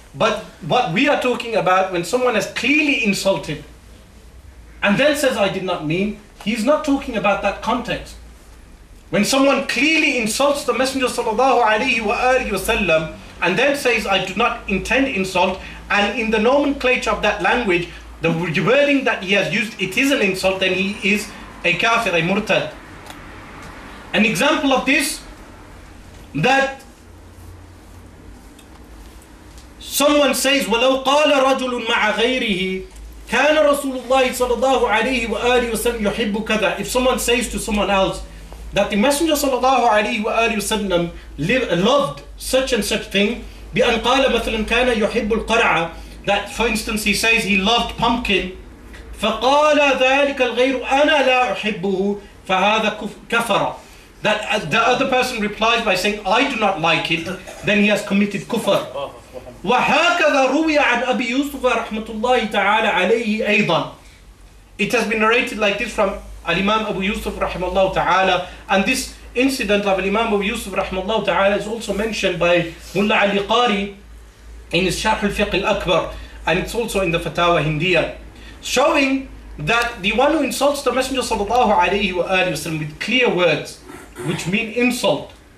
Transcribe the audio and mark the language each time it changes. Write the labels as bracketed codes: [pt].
[en] But what we are talking about, when someone has clearly insulted and then says, I did not mean, he's not talking about that context. When someone clearly insults the Messenger sallallahu alayhi wa alayhi wa sallam and then says, I do not intend insult, and in the nomenclature of that language, the wording that he has used, it is an insult, and he is a kafir, a murtad. An example of this, that someone says, [ar] وَلَوْ قَالَ رَجُلٌ مَعَ غَيْرِهِ كَانَ رَسُولُ اللَّهِ صَلَى اللَّهُ عَلَيْهِ وَآلِهِ وَسَلَّمْ يُحِبُّ كَذَا. [en] If someone says to someone else that the Messenger [ar] صلى الله عليه وآله وسلم [en] loved such and such thing, [ar] بأن قال مثلا كان يحب القرعة, [en] that for instance he says he loved pumpkin, [ar] فقال ذلك الغير أنا لا أحبه فهذا كفر, [en] that the other person replies by saying I do not like it, then he has committed kufr. [ar] وهكذا روي عن أبي يوسف رحمة الله تعالى عليه أيضا. [en] It has been narrated like this from Al-Imam Abu Yusuf [ar] رحمه تعالى, [en] and this incident of Imam Abu Yusuf rahimahullah ta'ala is also mentioned by Mullah Ali Qari in his Sharh al-Fiqh al-Akbar, and it's also in the Fatawa Hindiya, showing that the one who insults the Messenger sallallahu alayhi wa alayhi wa sallam with clear words which mean insult,